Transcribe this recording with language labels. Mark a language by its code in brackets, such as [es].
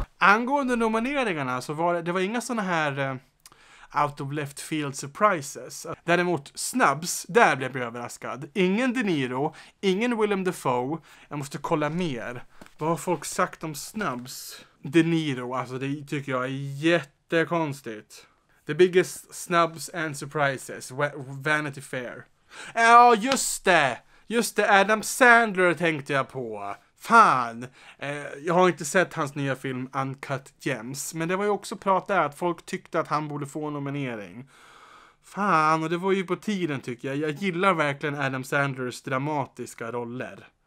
[sv] Angående nomineringarna så var det var inga såna här [en] out of left field surprises. [sv] Däremot Snubs, där blev jag överraskad. Ingen De Niro, ingen Willem Dafoe. Jag måste kolla mer. Vad har folk sagt om Snubs? De Niro, alltså det tycker jag är jätte. Det är konstigt. [en] The biggest snubs and surprises. [sv] Vanity Fair. Ja, just det. Just det, Adam Sandler tänkte jag på. Fan. Jag har inte sett hans nya film Uncut Gems. Men det var ju också prat där att folk tyckte att han borde få nominering. Fan, och det var ju på tiden tycker jag. Jag gillar verkligen Adam Sandlers dramatiska roller.